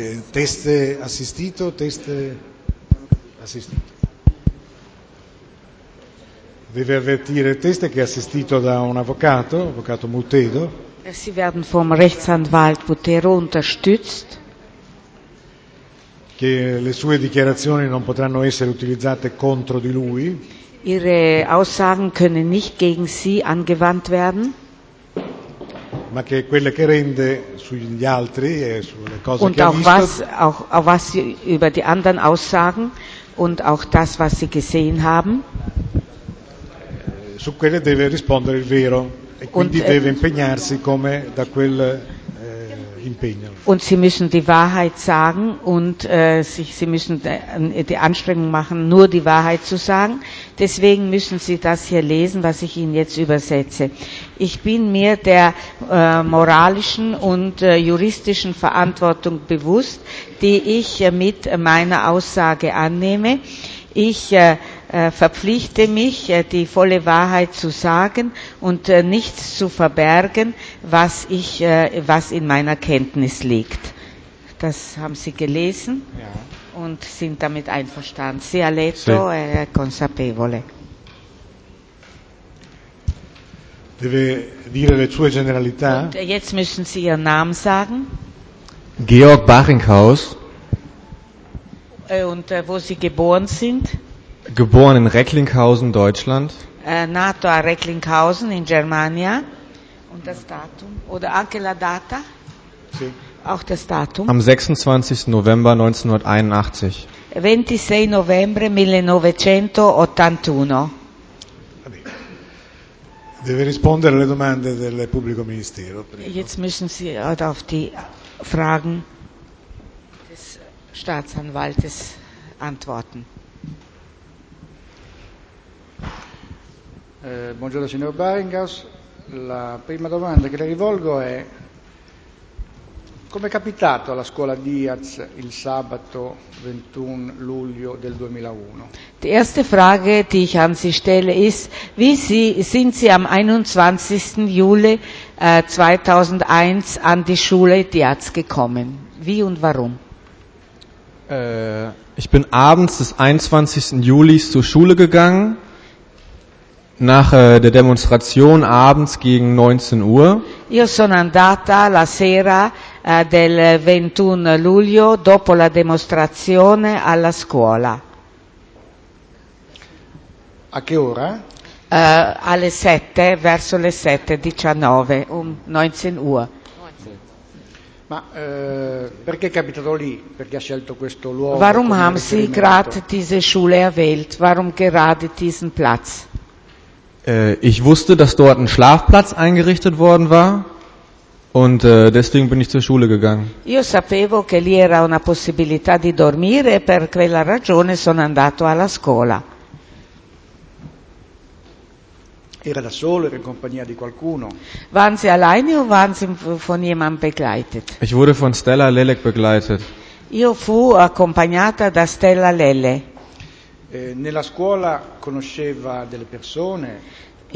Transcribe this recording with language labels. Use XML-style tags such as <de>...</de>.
<it>Test assistito, test assistito. Deve avvertire il test che è assistito da un avvocato, avvocato Multedo.</it> <de>Sie werden vom Rechtsanwalt Butero unterstützt.</de> <it>Che le sue dichiarazioni non potranno essere utilizzate contro di lui.</it> <de>Ihre Aussagen können nicht gegen sie angewandt werden.</de> <it>Ma che quelle che rende sugli altri e sulle cose</it> <de>und</de> <it>che</it> <de>auch</de> <it>ha visto</it> <de>was, auch, auch was sie über die anderen aussagen und auch das was sie gesehen haben,</de> <it>su quelle deve rispondere il vero e quindi und, deve impegnarsi come da quel impegno</it> <de>und sie müssen die Wahrheit sagen und sie müssen die Anstrengung machen nur die Wahrheit zu sagen. Deswegen müssen Sie das hier lesen, was ich Ihnen jetzt übersetze. Ich bin mir der moralischen und juristischen Verantwortung bewusst, die ich mit meiner Aussage annehme. Ich verpflichte mich, die volle Wahrheit zu sagen und nichts zu verbergen, was in meiner Kenntnis liegt. Das haben Sie gelesen. Ja. Und sind damit einverstanden.</de> <it>Sie ha letto, sì. È consapevole. Deve dire le sue generalità.</it> <de>Und jetzt müssen Sie Ihren Namen sagen. Georg Baringhaus. Und wo Sie geboren sind. Geboren in Recklinghausen, Deutschland.</de> <it>Nato a Recklinghausen in Germania.</it> <de>Und das Datum. Oder</de> <it>anche la data. Sì.</it> <de>Auch das Datum. Am 26. November 1981.</de> <it>26 novembre 1981. Deve rispondere alle domande del pubblico ministero.</it> <de>Jetzt müssen Sie auf die Fragen des Staatsanwaltes antworten.</de> <it>Buongiorno signor Baringhaus. La prima domanda che le rivolgo è: come è capitato alla scuola Diaz il sabato 21 luglio del 2001?</it> <de>Die erste Frage, die ich an Sie stelle, ist, wie Sie, sind Sie am 21. Juli 2001 an die Schule Diaz gekommen? Wie und warum? Ich bin abends des 21. Juli zur Schule gegangen, nach der Demonstration abends gegen 19 Uhr.</de> <it>Io sono andata la sera del 21 luglio dopo la dimostrazione alla scuola. A che ora? Alle 7, verso le 7:19, 19 Uhr. Ma perché è capitato lì? Perché ha scelto questo luogo?</it> <de>Warum haben Sie gerade diese Schule erwählt? Warum gerade diesen Platz? Ich wusste, dass dort ein Schlafplatz eingerichtet worden war. Und deswegen bin ich zur Schule gegangen.</de> <it>Io sapevo che lì era una possibilità di dormire, per quella ragione sono andato alla scuola. Era da solo, era in compagnia di qualcuno?</it> <de>Waren Sie alleine o waren Sie von jemandem begleitet? Ich wurde von Stella Lelle begleitet.</de> <it>Io fu accompagnata da Stella Lelle. Nella scuola conosceva delle persone.</it>